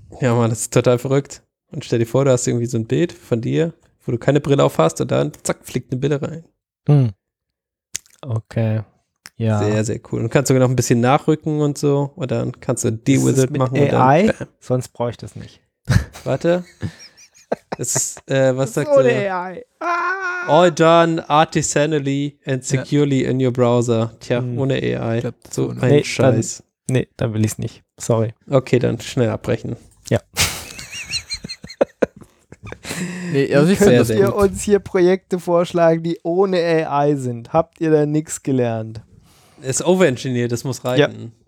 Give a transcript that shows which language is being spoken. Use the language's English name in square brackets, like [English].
[German] Ja, Mann, das ist total verrückt. Und stell dir vor, du hast irgendwie so ein Bild von dir, wo du keine Brille auf hast und dann, zack, fliegt eine Brille rein. Hm. Okay. Ja. Sehr, sehr cool. Und kannst sogar noch ein bisschen nachrücken und so. Und dann kannst du Deal with it machen. Mit AI? Und dann, sonst brauche ich das nicht. Warte. Es ist, was sagt der? AI. Ah. [English] All done artisanally and securely in your browser. [German] Tja, ohne AI. Ich glaub, so ohne. Ein Scheiß. Dann will ich es nicht. Sorry. Okay, dann schnell abbrechen. Ja. Nee, also ich könnt ihr uns hier Projekte vorschlagen, die ohne AI sind? Habt ihr da nichts gelernt? Es ist overengineered, das muss reichen.